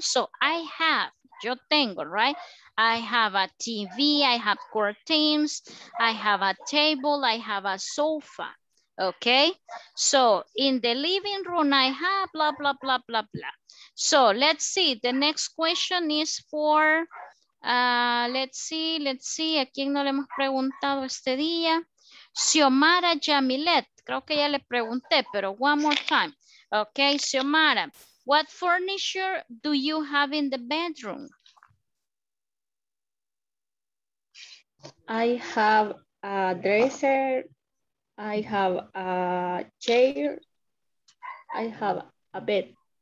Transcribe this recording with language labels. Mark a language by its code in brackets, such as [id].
[en] So I have, [es] yo tengo, [en] right? I have a TV, I have curtains, I have a table, I have a sofa, okay? So in the living room, I have blah, blah, blah, blah, blah. So let's see, the next question is for... Let's see, [es] ¿a quién no le hemos preguntado este día? Xiomara Jamilet, creo que ya le pregunté, pero [en] one more time. Okay, Xiomara, what furniture do you have in the bedroom? I have a dresser, I have a chair, I have a bed.